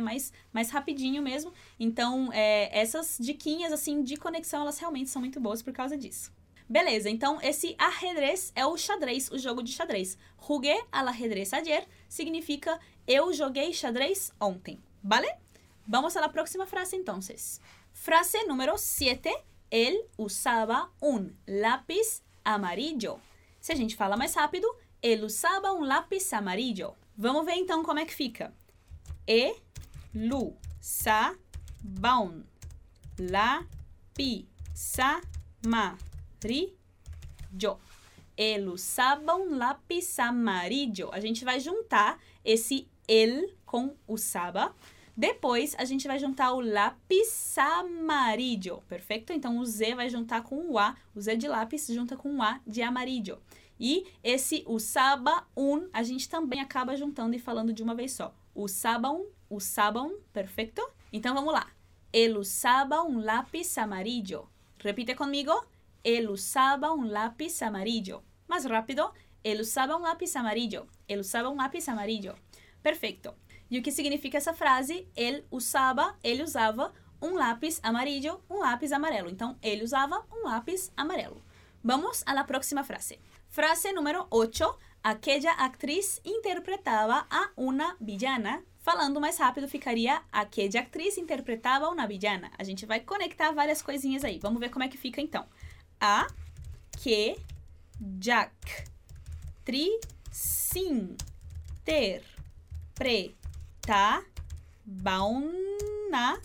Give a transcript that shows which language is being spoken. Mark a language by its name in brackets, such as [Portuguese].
[Portuguese] Mais rapidinho mesmo. Então, essas diquinhas assim, de conexão, elas realmente são muito boas por causa disso. Beleza, então esse ajedrez é o xadrez, o jogo de xadrez. [Spanish] Jugué al ajedrez ayer [Portuguese] significa eu joguei xadrez ontem, vale? [Spanish] Vamos a la próxima frase [Portuguese] então. [Spanish] Frase número 7, él usaba un lápiz amarillo. [Portuguese] Se a gente fala mais rápido, [Spanish] él usaba un lápiz amarillo. [Portuguese] Vamos ver então como é que fica. [Spanish] Él usaba un lápiz amarillo. Amarillo. Él usaba un lápiz amarillo. [Portuguese] A gente vai juntar esse él com o usaba. Depois, a gente vai juntar o lápiz amarillo. Perfeito? Então, o Z vai juntar com o A. O Z de lápis junta com o A de amarillo. E esse usaba un, a gente também acaba juntando e falando de uma vez só. [Spanish] Usaba un, [Portuguese] perfeito? Então, vamos lá. [Spanish] Él usaba un lápiz amarillo. [Portuguese] Repita comigo. [Spanish] Él usaba un lápiz amarillo. Más rápido. Él usaba un lápiz amarillo. Él usaba un lápiz amarillo. Perfecto. Y [Portuguese] o que significa [Spanish] esa frase? Él usaba un lápiz amarillo, un lápiz amarelo. Entonces, él usaba un lápiz [Portuguese] amarelo. [Spanish] Vamos a la próxima frase. Frase número 8. Aquella actriz interpretaba a una villana. [Portuguese] Falando mais rápido, ficaria [Spanish] aquella actriz interpretaba una villana. [Portuguese] A gente vai conectar várias coisinhas aí. Vamos ver como é que fica então. A que Jack tri sim ter pre tá bauna.